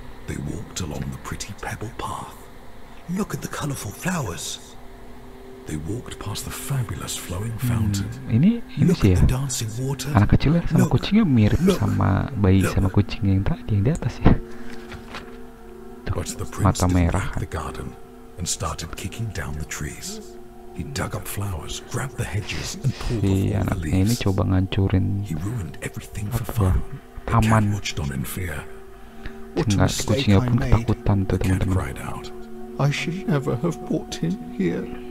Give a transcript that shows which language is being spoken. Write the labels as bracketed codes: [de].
[en] They walked along the pretty pebble path. Look at the colorful flowers. They walked past the fabulous flowing fountain. [id] Ini sih ya. Anak kecil ya, sama kucingnya mirip sama bayi sama kucing yang tadi yang di atas ya. Tuh, mata merah. [en] The garden and started kicking down the trees. He dug up flowers, grabbed the hedges and pulled off all the leaves. [id] Ini coba ngancurin. [en] He ruined everything for fun. Taman. [id] Tinggal kucingnya pun ketakutan tuh teman-teman. [en] I should never have brought him here.